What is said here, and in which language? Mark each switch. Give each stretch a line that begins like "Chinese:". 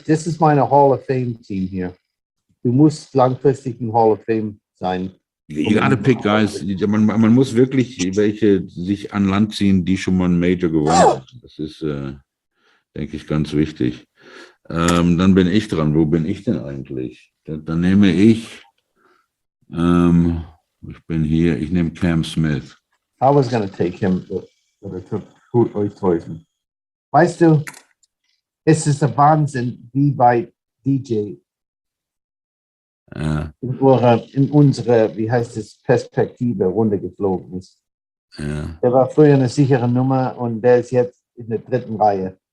English: This is my Hall of Fame team here.
German: Du musst langfristig im Hall of Fame sein.
English: You gotta pick guys.
German: Man muss wirklich welche sich an Land ziehen, die schon mal ein Major gewonnen haben. Das ist, denke ich, ganz wichtig. Dann bin ich dran. Wo bin ich denn eigentlich? Dann nehme ich, ich bin hier, ich nehme Cam Smith.
English: I was gonna take him, but I took Hüsthäusen.
German: Weißt du, es ist der Wahnsinn, wie weit DJ in unsere, wie heißt es, Perspektive runtergeflogen ist. Ja. Der war früher eine sichere Nummer und der ist jetzt in der dritten Reihe.